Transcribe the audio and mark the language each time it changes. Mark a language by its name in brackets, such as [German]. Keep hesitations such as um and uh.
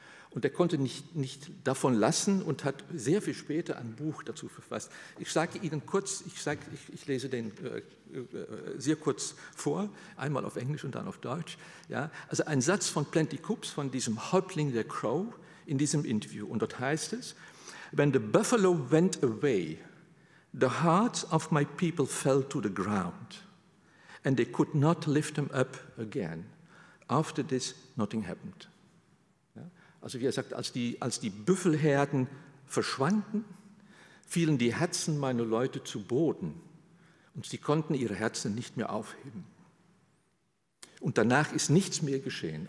[German] Und er konnte nicht, nicht davon lassen und hat sehr viel später ein Buch dazu verfasst. Ich sage Ihnen kurz, ich, sag, ich, ich lese den äh, sehr kurz vor, einmal auf Englisch und dann auf Deutsch. Ja. Also ein Satz von Plenty Coops, von diesem Häuptling der Crow, in diesem Interview. Und dort heißt es, [English] When the buffalo went away, the hearts of my people fell to the ground and they could not lift them up again. After this, nothing happened. [German] Also wie er sagt, als die, als die Büffelherden verschwanden, fielen die Herzen meiner Leute zu Boden und sie konnten ihre Herzen nicht mehr aufheben. Und danach ist nichts mehr geschehen.